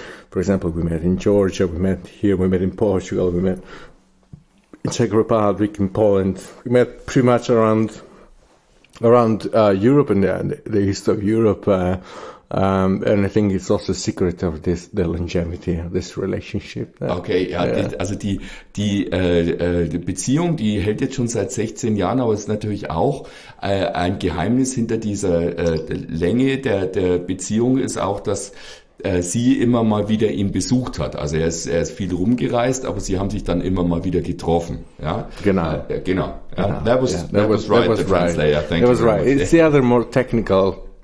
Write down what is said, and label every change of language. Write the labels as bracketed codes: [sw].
[en] For example, we met in Georgia, we met here, we met in Portugal, we met in Czech Republic, in Poland. We met pretty much around Europe and the east of Europe. And I think it's also a secret of the longevity of this relationship. [de] Also die Beziehung, die hält jetzt schon seit 16 Jahren, aber ist natürlich auch ein Geheimnis hinter dieser Länge der Beziehung ist auch, dass sie immer mal wieder ihn besucht hat. Also er ist viel rumgereist, aber sie haben sich dann immer mal wieder getroffen. Ja? Genau. Genau. [en] That was right. That was right. It's the other more technical